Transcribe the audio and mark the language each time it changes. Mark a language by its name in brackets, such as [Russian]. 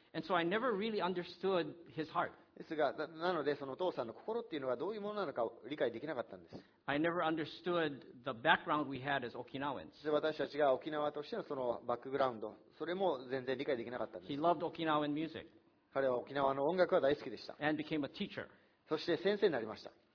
[English] And so I never really understood his heart. [Japanese] ですが、なのでそのお父さんの心っていうのがどういうものなのかを理解できなかったんです。 [English] I never understood the background we had as Okinawans. [Japanese] 私たちが沖縄としてのそのバックグラウンド、それも全然理解できなかったんです。 [English] He loved Okinawan music. [Japanese] 彼は沖縄の音楽は大好きでした。 [English] And became a teacher. [Japanese] そして先生になりました。